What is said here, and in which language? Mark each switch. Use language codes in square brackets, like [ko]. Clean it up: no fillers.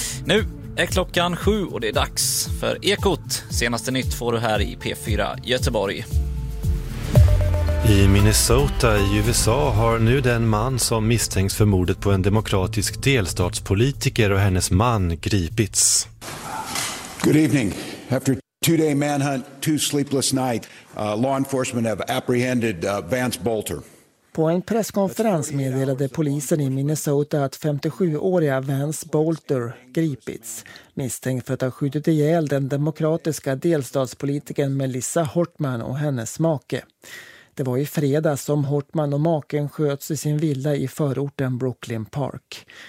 [sv] Nu är klockan 7 och det är dags för Ekot. Senaste nytt får du här i P4 Göteborg. I Minnesota i USA har nu den man som misstänks för mordet på en demokratisk delstatspolitiker och hennes man gripits. [en] Good evening. After two-day manhunt, two sleepless night, law enforcement have apprehended Vance Bolter. [sv] På en presskonferens meddelade polisen i Minnesota att 57-åriga Vance Bolter gripits, misstänkt för att ha skjutit ihjäl den demokratiska delstatspolitikern Melissa Hortman och hennes make. Det var i fredag som Hortman och maken sköts i sin villa i förorten Brooklyn Park.